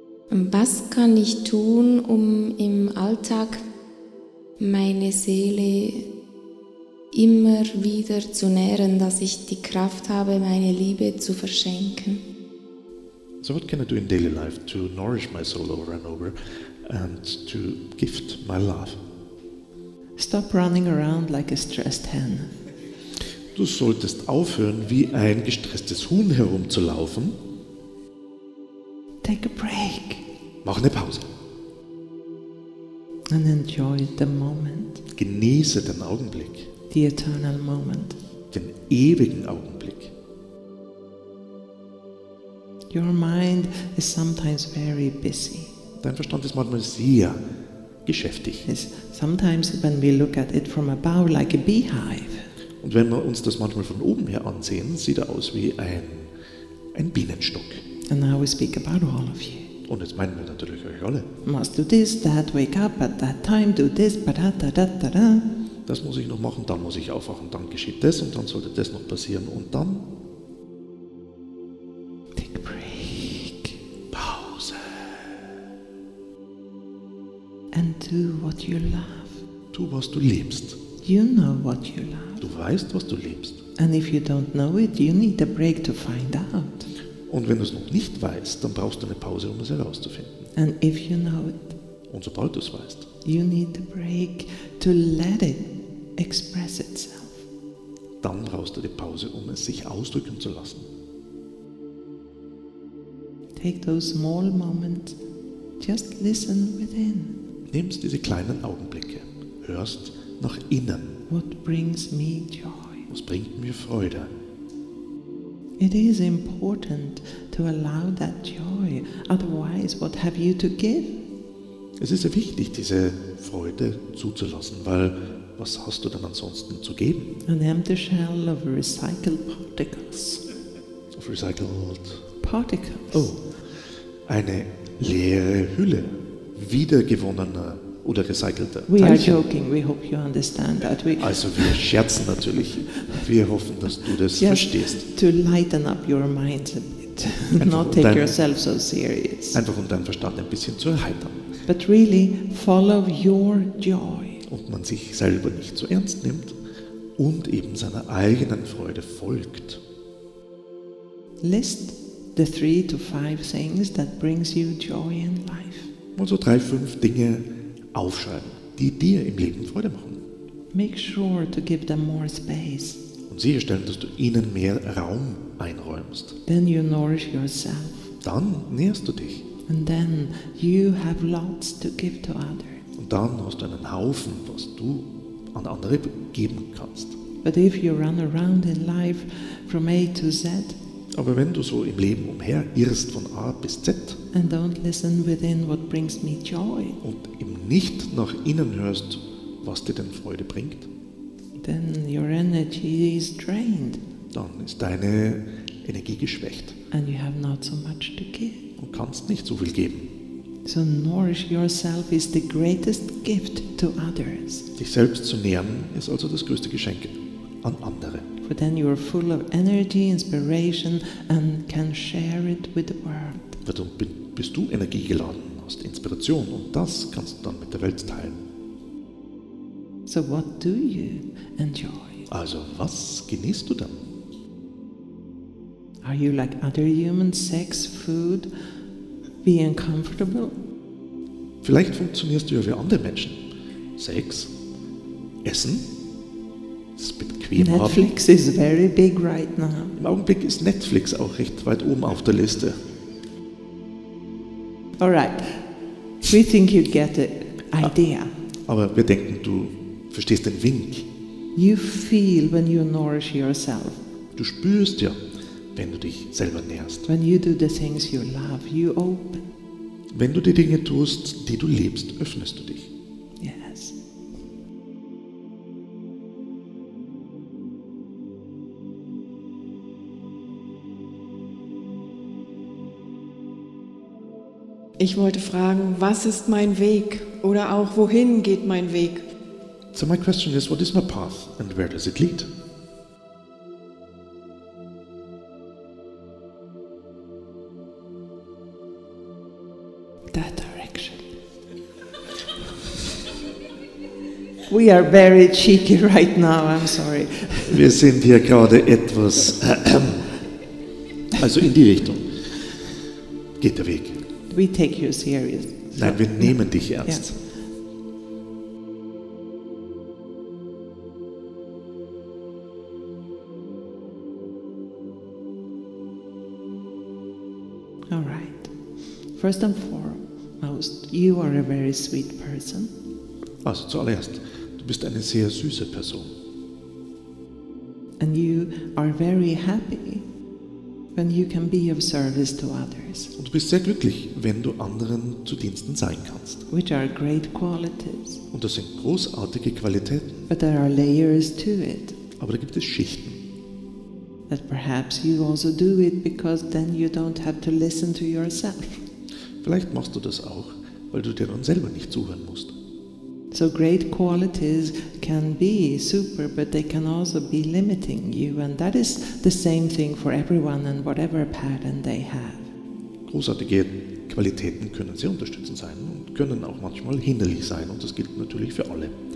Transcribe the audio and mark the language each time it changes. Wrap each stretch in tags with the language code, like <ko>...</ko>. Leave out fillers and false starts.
<de>Was kann ich tun, um im Alltag meine Seele immer wieder zu nähren, dass ich die Kraft habe, meine Liebe zu verschenken?</de> <en>So what can I do in daily life to nourish my soul over and over and to gift my love? Stop running around like a stressed hen.</en> <de>Du solltest aufhören, wie ein gestresstes Huhn herumzulaufen.</de> <en>Take a break.</en> <de>Mach eine Pause.</de> <en>And enjoy the moment.</en> <de>Genieße den Augenblick.</de> <en>The eternal moment.</en> <de>Den ewigen Augenblick.</de> <en>Your mind is sometimes very busy.</en> <de>Dein Verstand ist manchmal sehr geschäftig.</de> <en>It's sometimes when we look at it from above like a beehive.</en> <de>Und wenn wir uns das manchmal von oben her ansehen, sieht er aus wie ein Bienenstock.</de> <en>And now we speak about all of you.</en> <de>Und jetzt meinen wir natürlich euch alle.</de> <en>Must do this, that, wake up at that time, do this, ba-da-da-da-da-da.</en> <de>Das muss ich noch machen, dann muss ich aufwachen, dann geschieht das und dann sollte das noch passieren und dann...</de> <en>Take a break.</en> <de>Pause.</de> <en>And do what you love.</en> <de>Tu, was du liebst.</de> <en>You know what you love.</en> <de>Du weißt, was du liebst.</de> <en>And if you don't know it, you need a break to find out.</en> <de>Und wenn du es noch nicht weißt, dann brauchst du eine Pause, um es herauszufinden.</de> <en>And if you know it,</en> <de>und sobald du es weißt,</de> <en>you need a break to let it express itself.</en> <de>Dann brauchst du die Pause, um es sich ausdrücken zu lassen.</de> <en>Take those small moments, just listen within.</en> <de>Nimmst diese kleinen Augenblicke, hörst nach innen.</de> <en>What brings me joy?</en> <de>Was bringt mir Freude?</de> <en>It is important to allow that joy, otherwise what have you to give?</en> <de>Es ist sehr wichtig, diese Freude zuzulassen, weil was hast du denn ansonsten zu geben?</de> <en>An empty shell of recycled particles. Of recycled... Particles.</en> <de>Oh, eine leere Hülle wiedergewonnener oder recycelter Teilchen.</de> <en>We are joking, we hope you understand that.</en> <de>Also wir scherzen natürlich. Wir hoffen, dass du das</de> <en>yes,</en> <de>verstehst.</de> <en>To lighten up your mind a bit. Not take yourself so serious.</en> <de>Einfach um deinen Verstand ein bisschen zu erheitern.</de> <en>But really, follow your joy.</en> <de>Und man sich selber nicht so ernst nimmt und eben seiner eigenen Freude folgt.</de> <en>List the 3 to 5 things that brings you joy in life.</en> <de>Und so 3, 5 Dinge aufschreiben, die dir im Leben Freude machen.</de> <en>Make sure to give them more space.</en> <de>Und sicherstellen, dass du ihnen mehr Raum einräumst.</de> <en>Then you nourish yourself.</en> <de>Dann nährst du dich.</de> <en>And then you have lots to give to others.</en> <de>Und dann hast du einen Haufen, was du an andere geben kannst.</de> <en>But if you run around in life from A to Z,</en> <de>aber wenn du so im Leben umherirrst von A bis Z</de> <en>and don't listen within what brings me joy,</en> <de>und eben nicht nach innen hörst, was dir denn Freude bringt,</de> <en>then your energy is drained.</en> <de>Dann ist deine Energie geschwächt</de> <en>and you have not so much to give.</en> <de>Und kannst nicht so viel geben.</de> <en>So nourish yourself is the greatest gift to others.</en> <de>Dich selbst zu nähren ist also das größte Geschenk an andere.</de> <en>But then you are full of energy, inspiration and can share it with the world.</en> <de>Dann bist du energiegeladen, hast Inspiration und das kannst du dann mit der Welt teilen.</de> <en>So what do you enjoy?</en> <de>Also was genießt du dann?</de> <en>Are you like other humans, sex, food, being comfortable?</en> <de>Vielleicht funktionierst du ja wie andere Menschen. Sex, Essen.</de> <en>Netflix is very big right now.</en> <de>Im Augenblick ist Netflix auch recht weit oben auf der Liste.</de> <en>All right. We think you get the idea.</en> <de>Aber wir denken, du verstehst den Wink.</de> <en>You feel when you nourish yourself.</en> <de>Du spürst ja, wenn du dich selber nährst.</de> <en>When you do the things you love, you open.</en> <de>Wenn du die Dinge tust, die du liebst, öffnest du dich.</de> <en>Yes.</en> <de>Ich wollte fragen, was ist mein Weg? Oder auch, wohin geht mein Weg?</de> <en>So my question is, what is my path and where does it lead? That direction. We are very cheeky right now, I'm sorry.</en> <de>Wir sind hier gerade etwas, also in die Richtung geht der Weg.</de> <en>We take you serious.</en> <de>Nein, wir nehmen dich ernst. Yeah.</de> <en>First and foremost, you are a very sweet person.</en> <de>Also zuallererst, du bist eine sehr süße Person.</de> <en>And you are very happy when you can be of service to others.</en> <de>Und du bist sehr glücklich, wenn du anderen zu Diensten sein kannst.</de> <en>Which are great qualities.</en> <de>Und das sind großartige Qualitäten.</de> <en>But there are layers to it.</en> <de>Aber da gibt es Schichten.</de> <en>That perhaps you also do it because then you don't have to listen to yourself.</en> <de>Vielleicht machst du das auch, weil du dir dann selber nicht zuhören musst.</de> <en>So great qualities can be super, but they can also be limiting you, and that is the same thing for everyone and whatever pattern they have.</en> <de>Großartige Qualitäten können sehr unterstützend sein und können auch manchmal hinderlich sein, und das gilt natürlich für alle.</de>